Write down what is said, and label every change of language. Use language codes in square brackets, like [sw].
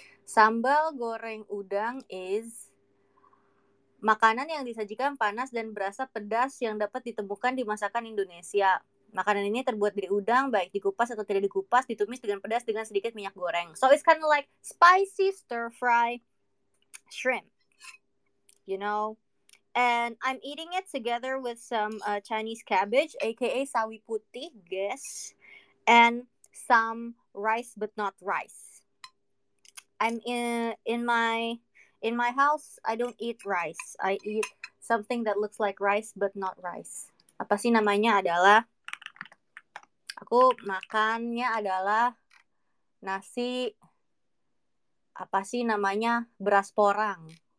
[id] Sambal goreng udang is makanan yang disajikan panas dan berasa pedas yang dapat ditemukan di masakan Indonesia. Makanan ini terbuat dari udang, baik dikupas atau tidak dikupas, ditumis dengan pedas dengan sedikit minyak goreng. [en] So it's kind of like spicy stir fry shrimp, you know. And I'm eating it together with some Chinese cabbage, aka sawi putih, guess, and some rice, but not rice. I'm in my house. I don't eat rice. I eat something that looks like rice, but not rice. [id] Apa sih namanya adalah? Aku makannya adalah nasi, apa sih namanya, beras porang.